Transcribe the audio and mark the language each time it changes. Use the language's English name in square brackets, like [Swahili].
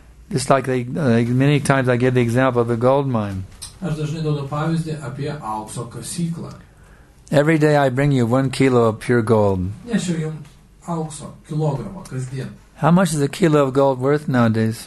[English] Just like many times I give the example of the gold mine. [Lithuanian] Aš dažnai duodu pavyzdį apie aukso kasyklą. [English] Every day I bring you 1 kilo of pure gold. [Lithuanian] Nešiu jums aukso kilogramą kasdien. [English] How much is a kilo of gold worth nowadays?